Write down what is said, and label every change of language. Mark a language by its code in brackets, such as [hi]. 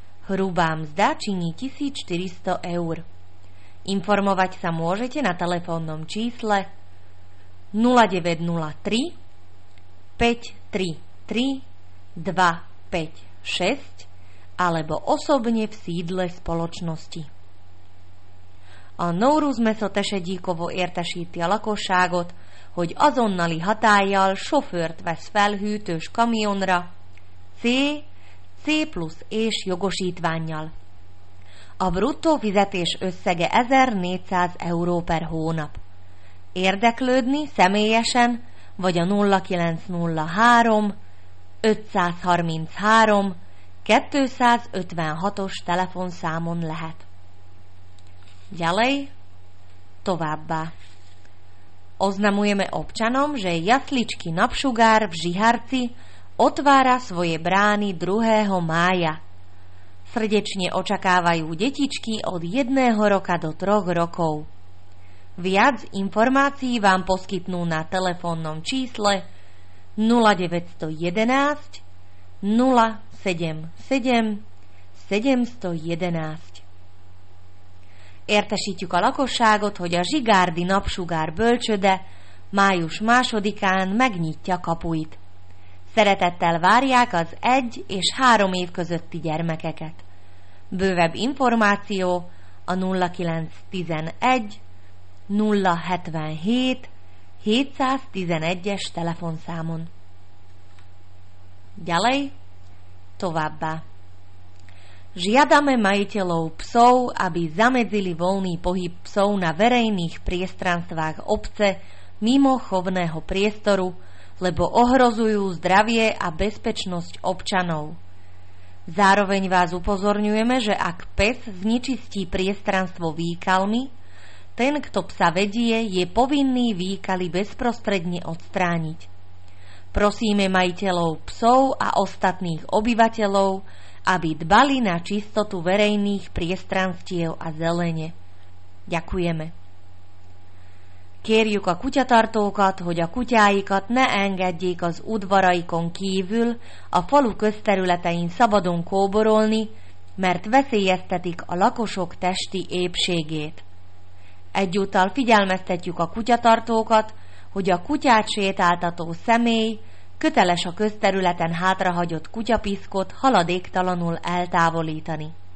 [sk] Hrubá mzda činí 1400 €. Informovať sa môžete na telefónnom čísle 0903 533 256 alebo osobne v sídle spoločnosti. [hu] A Nowruz mesot esedíkovo értesíti a lakosságot, hogy azonnali hatállyal sofőrt vesz fel hűtős kamionra, C plusz és jogosítvánnyal. A bruttó fizetés összege 1400 euró per hónap. Érdeklődni személyesen, vagy a 0903 533 256-os telefonszámon lehet. [sk] Ďalej, [hu] továbbá. [sk] Oznamujeme občanom, že jasličky Napsugár v Žiharci otvára svoje brány 2. mája. Srdečne očakávajú detičky od 1. roka do 3 rokov. Viac informácií vám poskytnú na telefónnom čísle 0911 077 711. [hu] Értesítjük a lakosságot, hogy a Zsigárdi Napsugár bölcsöde május 2-án megnyitja kapuit. Szeretettel várják az 1 és 3 év közötti gyermekeket. Bővebb információ a 0911 077 711-es telefonszámon. [sk] Ďalej, [hu] továbbá. [sk] Žiadame majiteľov psov, aby zamedzili voľný pohyb psov na verejných priestranstvách obce mimo chovného priestoru, lebo ohrozujú zdravie a bezpečnosť občanov. Zároveň vás upozorňujeme, že ak pes znečistí priestranstvo výkalmi, ten, kto psa vedie, je povinný výkaly bezprostredne odstrániť. Prosíme majiteľov psov a ostatných obyvateľov, aby dbali na čistotu verejných priestranstiev a zelene. Ďakujeme. [hu] Kérjük a kutyatartókat, hogy a kutyáikat ne engedjék az udvaraikon kívül a falu közterületein szabadon kóborolni, mert veszélyeztetik a lakosok testi épségét. Egyúttal figyelmeztetjük a kutyatartókat, hogy a kutyát sétáltató személy köteles a közterületen hátrahagyott kutyapiszkot haladéktalanul eltávolítani.